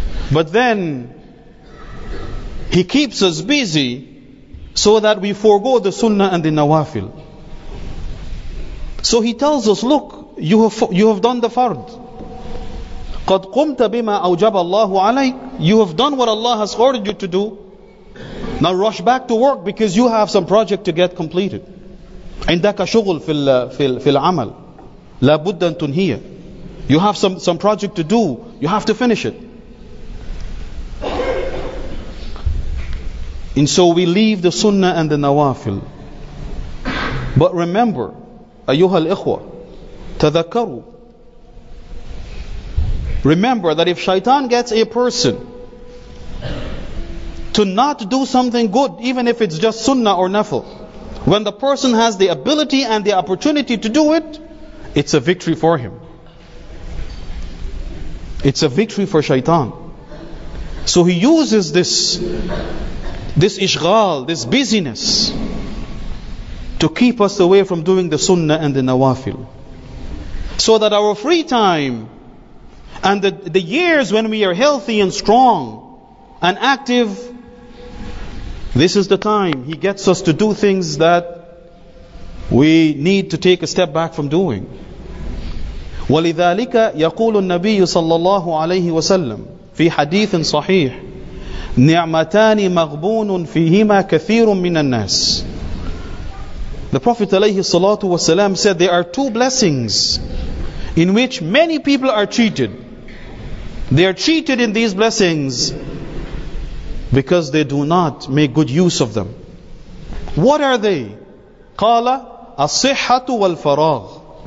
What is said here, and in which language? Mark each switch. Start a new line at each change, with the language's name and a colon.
English: But then he keeps us busy so that we forego the sunnah and the nawafil. So he tells us, look, you have done the fard.
Arabic: قَدْ قُمْتَ بِمَا أَوْجَبَ اللَّهُ عَلَيْكَ.
English: You have done what Allah has ordered you to do. Now rush back to work because you have some project to get completed.
Arabic: عندك شغل في العمل لا بد أن تنهيه.
English: You have some project to do. You have to finish it. And so we leave the sunnah and the nawafil. But remember,
Arabic: أيها الإخوة, تذكروا.
English: Remember that if shaitan gets a person to not do something good, even if it's just sunnah or nafil, when the person has the ability and the opportunity to do it, it's a victory for him. It's a victory for shaitan. So he uses this ishghal, this busyness, to keep us away from doing the sunnah and the nawafil. So that our free time and the years when we are healthy and strong and active, this is the time he gets us to do things that we need to take a step back from doing.
Arabic: ولذلك يقول النبي صلى الله عليه وسلم في حديث صحيح نعمتان مغبون فيهما كثير من الناس.
English: The Prophet عليه الصلاة والسلام said there are two blessings in which many people are cheated. They are cheated in these blessings because they do not make good use of them. What are they?
Arabic: قال الصحة والفراغ.